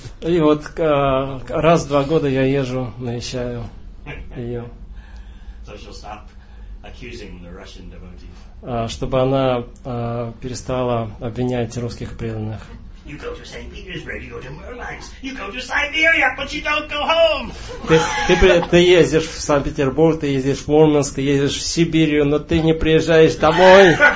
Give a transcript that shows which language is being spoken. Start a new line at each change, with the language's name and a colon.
Russian: И вот раз в два года я езжу, навещаю ее.
English: So she'll stop accusing the Russian devotees.
Russian: Чтобы она перестала обвинять русских преданных.
English: You go to St. Petersburg, you go to Murmansk, you go to Siberia, but you don't go home.
Russian: Ты ездишь в Санкт-Петербург, ты ездишь в Мурманск, ты ездишь в Сибирию, но ты не приезжаешь домой.